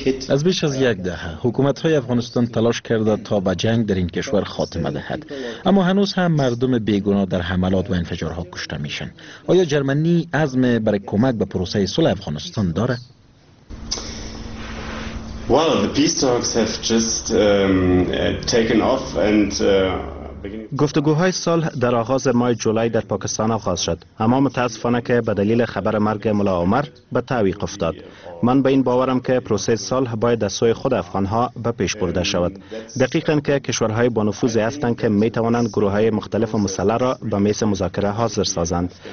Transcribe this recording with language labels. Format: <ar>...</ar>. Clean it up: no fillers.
<fa>از بیش از یک دهه حکومت های افغانستان تلاش کرده تا به جنگ در این کشور خاتمه دهد، اما هنوز هم مردم بیگناه در حملات و انفجارها کشته میشن. آیا جرمنی عزم برای کمک به پروسه صلح افغانستان داره؟</fa> <en>Well, the peace talks have just taken off and</en> <fa>گفتگوهای صلح در آغاز ماه جولای در پاکستان آغاز شد، اما متاسفانه که به دلیل خبر مرگ ملا عمر به تعویق افتاد. من به این باورم که پروسه صلح باید از سوی خود افغانها به پیش برده شود. دقیقاً که کشورهای با نفوذ هستند که می توانند گروههای مختلف مسلح را به میز مذاکره حاضر سازند.</fa>